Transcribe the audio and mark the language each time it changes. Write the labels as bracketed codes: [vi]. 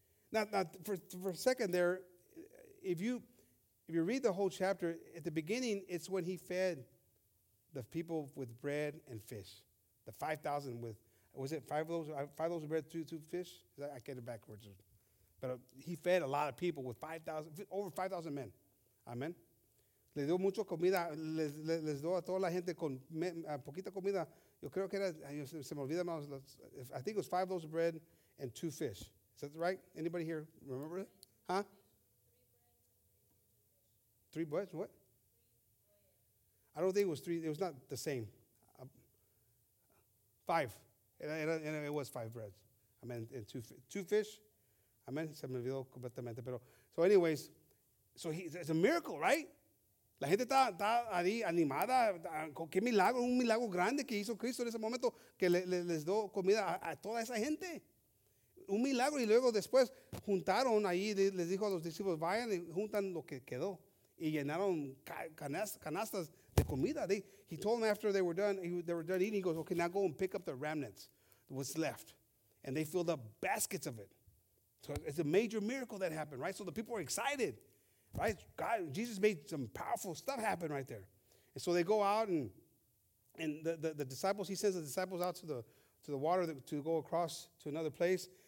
[en] Now for a second there, if you read the whole chapter, at the beginning, it's when he fed the people with bread and fish, the 5,000 with was it five loaves of bread, two fish? I get it backwards. But he fed a lot of people with over 5,000 men. Amen. [es] Le dio mucho comida, les dio a toda la gente con poquita comida. Yo creo que era, se me olvida, [en] I think it was 5 loaves of bread and 2 fish. Is that right? Anybody here remember it? Huh? 3 breads, what? I don't think it was three. It was not the same. Five. And it was 5 breads. I mean, and two fish. I mean, [es] se me olvidó completamente. [en] Pero, so anyways, so it's a miracle, right? [es] La gente está ahí animada. ¿Qué milagro? Un milagro grande que hizo Cristo en ese momento que les dio comida a toda esa gente. Un milagro. Y luego después juntaron ahí, les dijo a los discípulos, vayan y juntan lo que quedó. Y llenaron canastas de comida. [en] He told them after they were done eating, he goes, okay, now go and pick up the remnants, what's left. And they filled up baskets of it. So it's a major miracle that happened, right? So the people are excited, right? God, Jesus made some powerful stuff happen right there. And so they go out, and the disciples, he sends the disciples out to the water to go across to another place.